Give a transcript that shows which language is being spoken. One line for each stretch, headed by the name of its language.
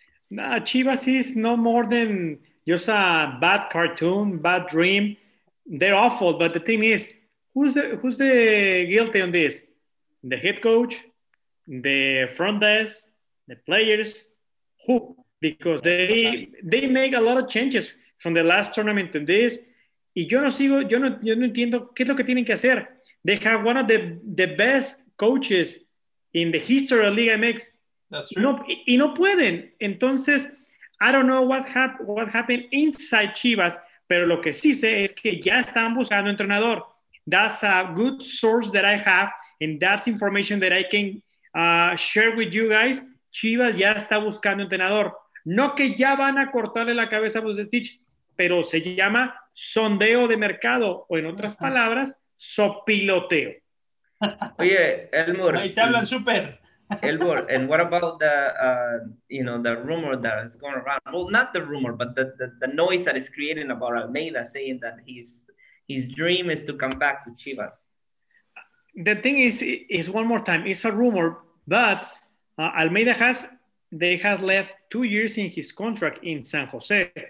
English: Nah, Chivas is no more than just a bad cartoon, bad dream. They're awful. But the thing is, who's the guilty on this? The head coach, the front desk, the players. Who? Because they make a lot of changes from the last tournament to this.
Spanish: Y yo no entiendo qué es lo que tienen que hacer.
English: They have one of the best coaches in the history of Liga MX. That's true.
Spanish: No pueden. Entonces,
English: I don't know what happened inside Chivas,
Spanish: pero lo que sí sé es que ya están buscando entrenador.
English: That's a good source that I have, and that's information that I can share with you guys.
Spanish: Chivas ya está buscando entrenador. No que ya van a cortarle la cabeza a Vucetich, pero se llama sondeo de mercado, o en otras palabras, sopiloteo. Oye, Elmer. Ahí te hablan súper.
English: Elmer, and what about the, you know, the rumor that is going around? Well, not the rumor, but the noise that is creating about Almeida saying that his dream is to come back to Chivas. The thing is one more time, it's a rumor, but Almeida has, they have left 2 years in his contract in San Jose.